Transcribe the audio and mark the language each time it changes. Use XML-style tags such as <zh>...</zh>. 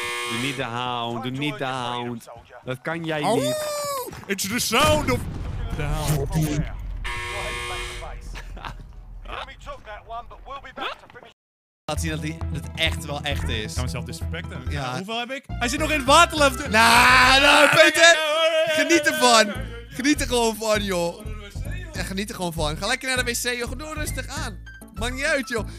<nl>Doe niet de hound, doe niet de hound. Dat kan jij niet.</nl> <en>Oh, it's the sound of the hound.</en> <nl>Laat zien dat het echt wel echt is. Ik kan mezelf disrespecten. Ja. Hoeveel heb ik? Hij zit nog in het water. Nou, Peter. Geniet ervan. Geniet er gewoon van, joh. Ja, geniet er gewoon van. Ga lekker naar de wc, joh. Doe rustig aan. Maakt niet uit, joh.</nl>